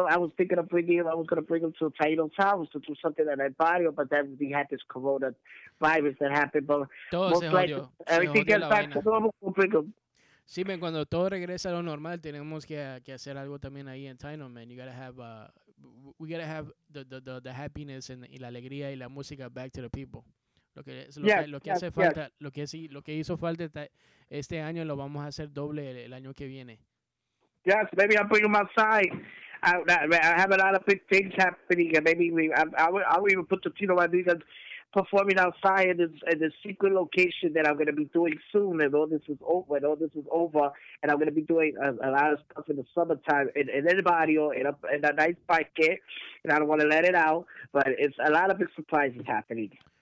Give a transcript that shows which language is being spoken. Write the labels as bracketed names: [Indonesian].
[English] I was thinking of bringing him to Taino's house to do something at El Barrio, but then we had this corona virus that happened. But most likely, everything gets back to normal, we'll bring him. [Spanish] Sí, man, cuando todo regresa a lo normal, tenemos que hacer algo también ahí en Taino, man. [English] You gotta have, we gotta have the happiness [Spanish] y la alegría y la música [English] back to the people. [Spanish] Lo que hizo falta este año lo vamos a hacer doble el año que viene. [English] Yes, maybe I'll bring him outside. I have a lot of big things happening, and I will even put the Tito Rodriguez performing outside in a secret location that I'm going to be doing soon, and all this is over, and I'm going to be doing a lot of stuff in the summertime in El Barrio, in a nice parque, and I don't want to let it out, but it's a lot of big surprises happening.